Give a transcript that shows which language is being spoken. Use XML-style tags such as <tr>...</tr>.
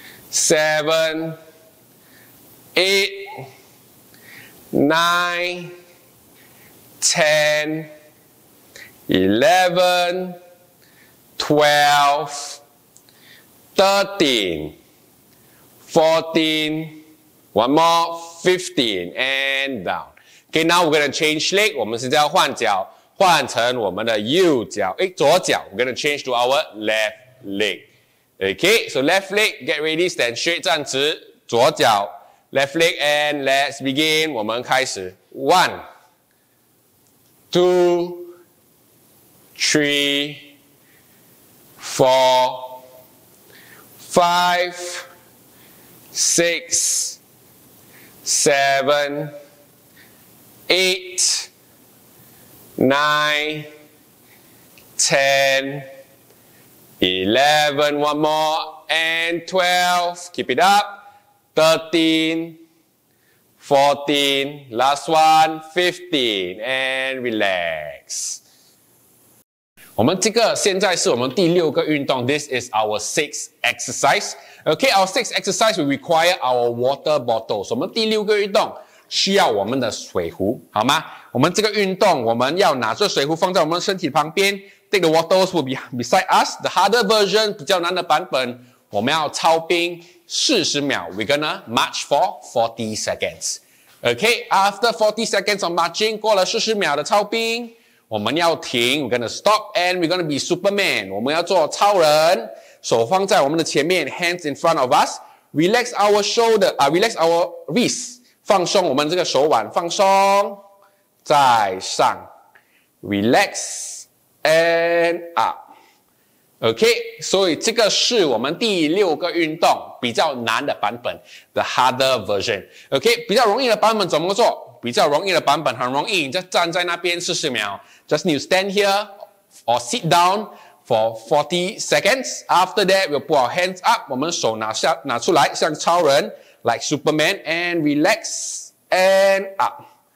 <en>seven, eight, nine, 10, 11, 12, 13, 14, one more, 15, and down. Okay, now we're going to change leg.</en> <zh>我们现在要换脚，换成我们的右脚，诶，左脚。</zh> <en>We're going to change to our left leg. Okay, so left leg, get ready, stand straight,</en> <zh>站直，左脚，</zh> <en>left leg, and let's begin.</en> <zh>我们开始，</zh> <en>1. Two, three, four, five, six, seven, eight, nine, ten, 11, one more, and 12, keep it up, 13. 14, last one, 15, and relax.</en> <zh>我们这个现在是我们第六个运动，</zh> <en>this is our sixth exercise. Okay, our sixth exercise will require our water bottles.</en> <zh>我们第六个运动需要我们的水壶，好吗？我们这个运动我们要拿着水壶放在我们身体旁边，</zh> <en>take the waters will be beside us. The harder version,</en> <zh>比较难的版本，我们要操冰40秒，</zh> <en>we're gonna march for 40 seconds. Okay, after 40 seconds of marching,</en> <zh>过了40秒的操兵，我们要停，</zh> <en>we're gonna stop, and we're gonna be Superman.</en> <zh>我们要做超人，手放在我们的前面，</zh> <en>hands in front of us. Relax our shoulder, relax our wrist,</en> <zh>放松我们这个手腕，放松，再上，</zh> <en>relax, and up.</en> <zh>Okay, 所以这个是我们第六个运动比较难的版本，</zh> <en>the harder version.</en> <zh>Okay, 比较容易的版本怎么做？比较容易的版本很容易，你就站在那边40秒。</zh> <en>Just need to stand here or sit down for 40 seconds. After that, we'll put our hands up,</en> <zh>我们手拿出来像超人</zh> <en>like Superman, and relax and up.</en>